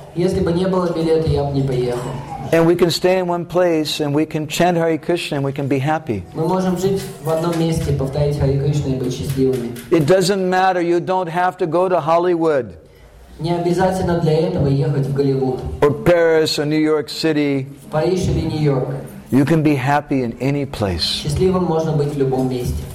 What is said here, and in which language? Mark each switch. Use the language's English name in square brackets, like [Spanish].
[Russian] Если бы не было билета, я бы не поехал. [English] And we can stay in one place and we can chant Hare Krishna and we can be happy. [Russian] Мы можем жить в одном месте, повторять Hare Krishna и быть счастливыми. [English] It doesn't matter. You don't have to go to Hollywood. [Russian] Не обязательно для этого ехать в Голливуд. [English] Or Paris or New York City. [Russian] В Париж или Нью-Йорк. [English] You can be happy in any place. [Russian] Счастливым можно быть в любом месте.